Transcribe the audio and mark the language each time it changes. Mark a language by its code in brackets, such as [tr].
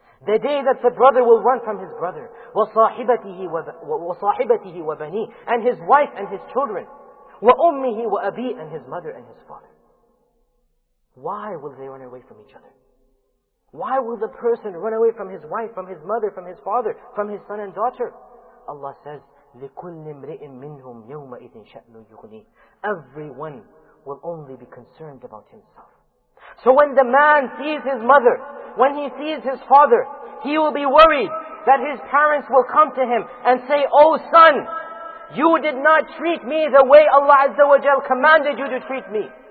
[en] The day that the brother will run from his brother, [ar] وَصَاحِبَتِهِ وَبَنِيهِ, [en] and his wife and his children, [ar] وَأُمِّهِ وَأَبِيهِ, [en] and his mother and his father. Why will they run away from each other? Why will the person run away from his wife, from his mother, from his father, from his son and daughter? Allah says, [ar] لِكُلِّ امْرِئٍ مِّنْهُمْ يَوْمَئِذٍ شَأْنٌ يُغْنِيهِ. [en] Everyone will only be concerned about himself. So when the man sees his mother, when he sees his father, he will be worried that his parents will come to him and say, oh son, you did not treat me the way Allah Azza wa Jal commanded you to treat me.